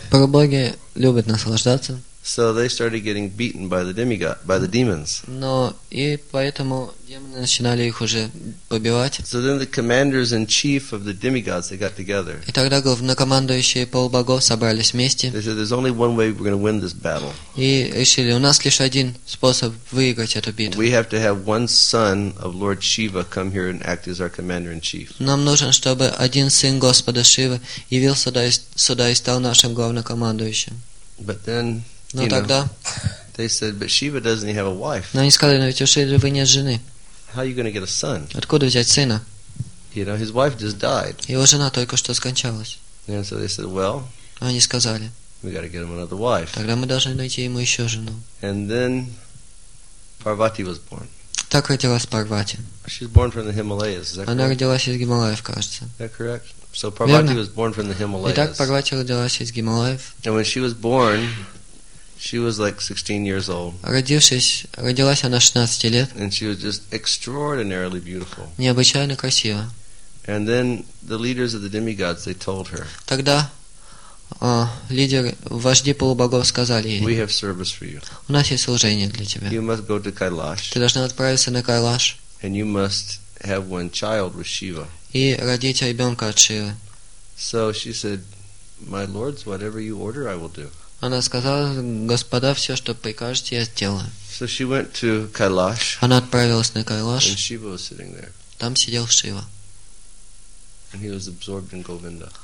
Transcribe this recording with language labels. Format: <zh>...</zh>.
<ru>Полубоги любят наслаждаться.</ru> <en>So they started getting beaten by the demigod, by the demons.</en> <ru>Но и поэтому демоны начинали их уже побивать.</ru> <en>So then the commanders in chief of the demigods they got together.</en> <ru>И тогда главнокомандующие полубогов собрались вместе.</ru> <en>They said, "There's only one way we're going to win this battle."</en> <ru>И решили, у нас лишь один способ выиграть эту битву.</ru> <en>We have to have one son of Lord Shiva come here and act as our commander in chief.</en> <ru>Нам нужен, чтобы один сын Господа Шивы явился сюда и стал нашим главнокомандующим.</ru> <en>But then.</en> <ru>Но тогда.</ru> <en>They said, but Shiva doesn't have a wife.</en> <ru>Но они сказали, но ведь у Шивы нет жены.</ru> <en>How are you going to get a son?</en> <ru>Откуда взять сына?</ru> <en>You know, his wife just died.</en> <ru>Его жена только что скончалась.</ru> <en>And so they said, well.</en> <ru>Они сказали.</ru> <en>We got to get him another wife.</en> <ru>Тогда мы должны найти ему еще жену.</ru> <en>And then Parvati was born.</en> <ru>Так родилась Парвати.</ru> <en>She's born from the Himalayas. Is that correct?</en> <ru>Она родилась из Гималаев, кажется.</ru> <en>Is that correct? So Parvati was born from the Himalayas.</en> <ru>Итак, Парвати родилась из Гималаев.</ru> <en>And when she was born. She was like 16 years old.</en> <ru>Родилась она 16 лет.</ru> <en>And she was just extraordinarily beautiful.</en> <ru>Необычайно красива.</ru> <en>And then the leaders of the demigods they told her.</en> <ru>Тогда вожди полубогов сказали ей.</ru> <en>We have service for you.</en> <ru>У нас есть служение для тебя.</ru> <en>You must go to Kailash.</en> <ru>Ты должна отправиться на Кайлаш.</ru> <en>And you must have one child with Shiva.</en> <ru>И родить ребенка от Шивы.</ru> <en>So she said, "My lords, whatever you order, I will do."</en> <ru>Она сказала, «Господа, все, что прикажете, я сделаю».</ru> <en>So she went to Kailash,</en> <ru>она отправилась на Кайлаш.</ru> <en>And Shiva was sitting there.</en> <ru>Там сидел Шива.</ru> <en>And he was absorbed in Govinda.</en>